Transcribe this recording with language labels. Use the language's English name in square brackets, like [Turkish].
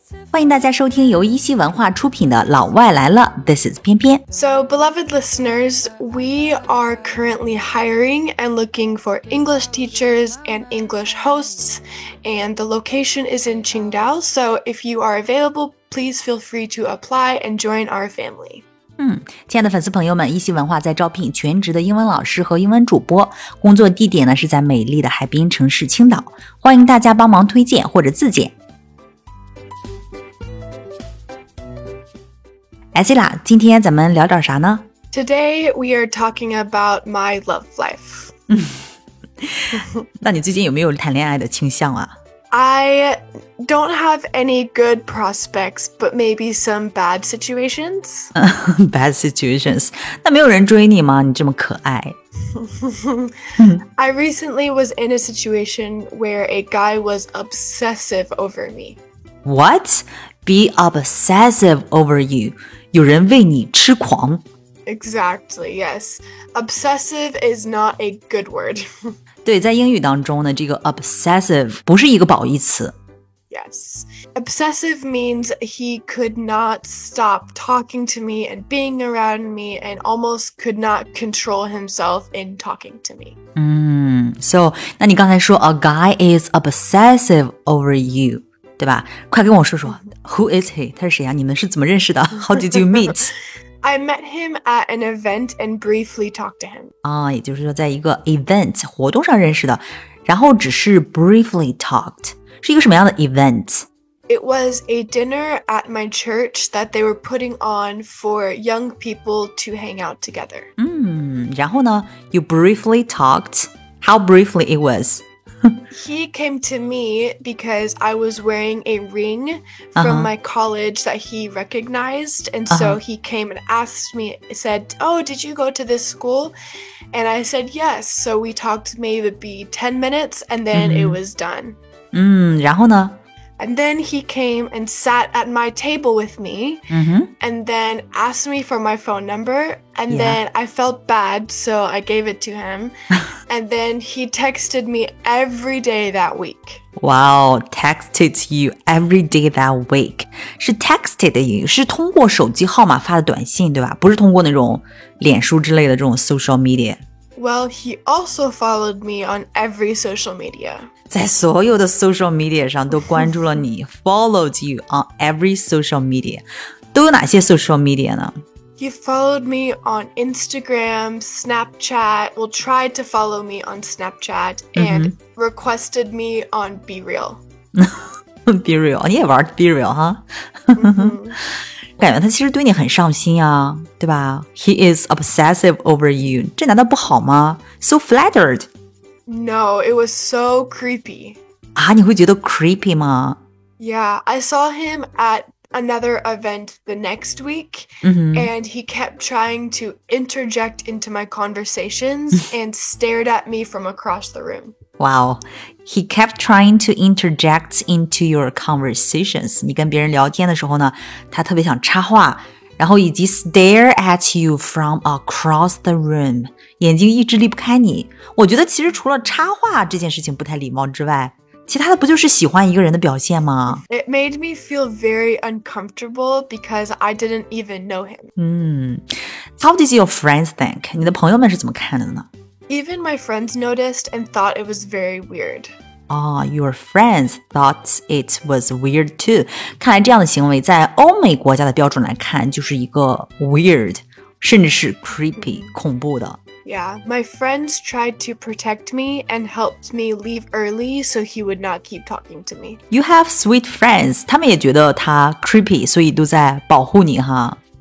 [Chinese] 欢迎大家收听由一稀文化出品的《老外来了》。 [English] This is 翩翩。 So, beloved listeners, we are currently hiring and looking for English teachers and English hosts, and the location is in Qingdao. So, if you are available, please feel free to apply and join our family. [Chinese] 亲爱的粉丝朋友们，一稀文化在招聘全职的英文老师和英文主播，工作地点呢是在美丽的海滨城市青岛，欢迎大家帮忙推荐或者自荐。哎，西拉，今天咱们聊点啥呢？ [English] Today we are talking about my love life. [Chinese] 那你最近有没有谈恋爱的倾向啊？ [English] I don't have any good prospects, but maybe some bad situations. Bad situations. [Chinese] 那没有人追你吗？你这么可爱。 [English] I recently was in a situation where a guy was obsessive over me. What? Be obsessive over you? [Chinese] 有人为你痴狂。 [English] Exactly, yes. Obsessive is not a good word. [Chinese] 对，在英语当中呢，这个 obsessive 不是一个褒义词。 [English] Yes. Obsessive means he could not stop talking to me and being around me and almost could not control himself in talking to me. So, [Chinese] 那你刚才说 [English] a guy is obsessive over you, [Chinese] 对吧？快跟我说说 , [English] who is he? [Chinese] 他是谁啊？你们是怎么认识的 ? [English] How did you meet? I met him at an event and briefly talked to him. [Chinese] 啊，也就是说在一个 event, 活动上认识的，然后只是 [English] briefly talked, [Chinese] 是一个什么样的 event? [English] It was a dinner at my church that they were putting on for young people to hang out together. [Chinese] 然后呢 [English] you briefly talked, how briefly it was? He came to me because I was wearing a ring from my college that he recognized. And so he came and asked me, said, oh, did you go to this school? And I said, yes. So we talked maybe 10 minutes and then it was done. [Chinese] 然后呢? [English] And then he came and sat at my table with me and then asked me for my phone number. And then I felt bad, so I gave it to him. And then he texted me every day that week. Wow, texted you every day that week. [Chinese] 是 texted you, 是通过手机号码发的短信,对吧? 不是通过那种脸书之类的这种 social media. [English] Well, he also followed me on every social media. [Chinese] 在所有的 social media 上都关注了你, [English] followed you on every social media. [Chinese] 都有哪些 social media 呢? [English] He followed me on Instagram, Snapchat, well, tried to follow me on Snapchat, and requested me on Be Real. [Chinese] Be Real, 你也玩 Be Real, 哈、huh? 感觉他其实对你很上心啊，对吧 ? [English] He is obsessive over you. [Chinese] 这难道不好吗 ? [English] So flattered. No, it was so creepy. [Chinese] 啊，你会觉得 creepy 吗 [English] ?Yeah, I saw him at... another event the next week and he kept trying to interject into my conversations and stared at me from across the room. Wow, he kept trying to interject into your conversations. [Chinese] 你跟别人聊天的时候呢他特别想插话然后以及 [English] stare at you from across the room. [Chinese] 眼睛一直离不开你。我觉得其实除了插话这件事情不太礼貌之外其他的不就是喜欢一个人的表现吗 [English] ?It made me feel very uncomfortable because I didn't even know him. How did your friends think? [Chinese] 你的朋友们是怎么看的呢 [English] ?Even my friends noticed and thought it was very weird. Oh, your friends thought it was weird too. [Chinese] 看来这样的行为在欧美国家的标准来看就是一个 weird, 甚至是 creepy, 恐怖的。 [English] Yeah, my friends tried to protect me and helped me leave early so he would not keep talking to me. You have sweet friends. [Chinese] 他们也觉得他 creepy, 所以都在保护你哈。